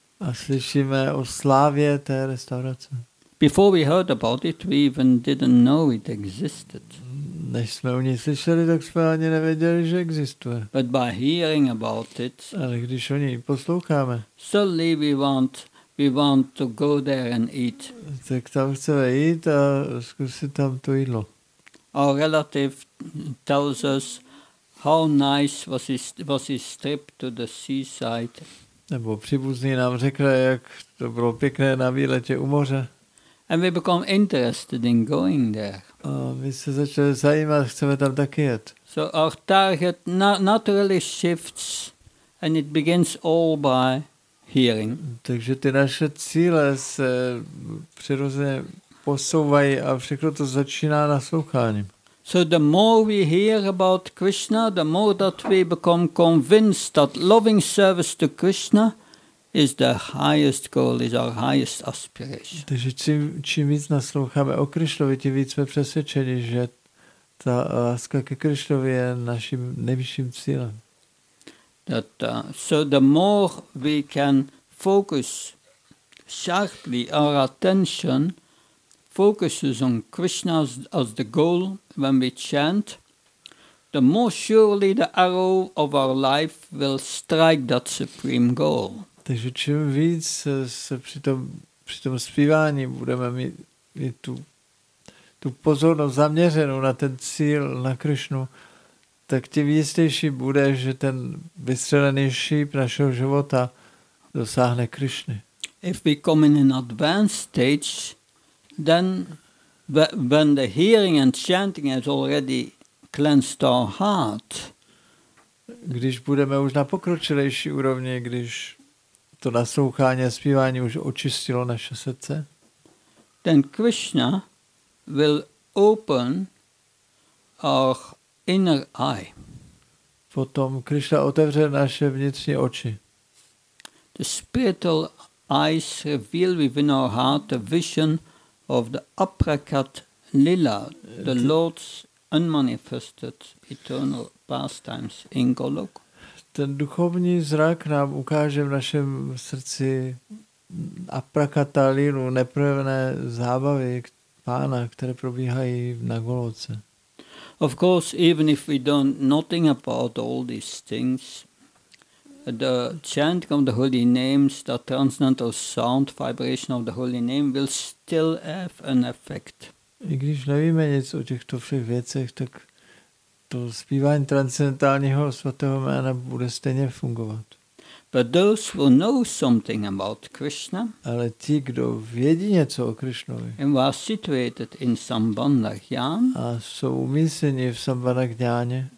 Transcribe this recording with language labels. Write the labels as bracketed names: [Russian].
[Czech] A slyšíme o slávě té restaurace. [English] Before we heard about it, we even didn't know it existed. [Czech] Než jsme o ní slyšeli, tak jsme ani nevěděli, že existuje. [English] But by hearing about it, [Czech] ale když o ní posloucháme, [English] suddenly we want to go there and eat. [Czech] Tak tam chceme jít a zkusit tam to jídlo. [English] Our relative tells us how nice was his trip to the seaside. [Czech] Nebo příbuzný nám řekne, jak to bylo pěkné na výletě u moře. [English] And we become interested in going there. [Czech] A my se začali zajímat, chceme tam taky jet. [English] So our target naturally shifts and it begins all by hearing. [Czech] Takže ty naše cíle se přirozeně posouvají a všechno to začíná nasloucháním. [English] So the more we hear about Krishna, the more that we become convinced that loving service to Krishna is the highest goal, is our highest aspiration. [Czech] Takže čím víc nasloucháme o Krišnovi, tím víc jsme přesvědčeni, že ta láska ke Krišnovi je naším nejvyšším cílem. [English] So the more we can focus sharply our attention focuses on Krishna as the goal when we chant, the more surely the arrow of our life will strike that supreme goal. [Czech] Takže čím víc se při tom zpívání budeme mít tu pozornost zaměřenou na ten cíl, na Krišnu, tak tím jistější bude, že ten vystřelený šíp našeho života dosáhne Krišny. [English] If we come in an advanced stage, then when the hearing and chanting has already cleansed our heart, [Czech] když budeme už na pokročilejší úrovni, když to naslouchání a zpívání už očistilo naše srdce, [English] then Krishna will open our inner eye. [Czech] Potom Krishna otevře naše vnitřní oči. [English] The spiritual eyes reveal within our heart the vision of the Aprakat Lila, the Lord's unmanifested eternal pastimes in Goloka. [Czech] Ten duchovní zrak nám ukáže v našem srdci Aprakata Lilu, neprojevené zábavy pána, které probíhají na Goloce. [English] Of course, even if we don't nothing about all these things, the chanting of the holy names, the transcendental sound vibration of the holy name will still have an effect. [Czech] I když nevíme nic o těchto všech věcech, tak to zpívání transcendentálního svatého jména bude stejně fungovat. [English] But those who know something about Krishna, [Czech] ale ti, kdo vědí něco o Krišnovi, [English] and who are situated in Sambandha Jnan, [Czech] a jsou umístěni v Sambandha Jnaně,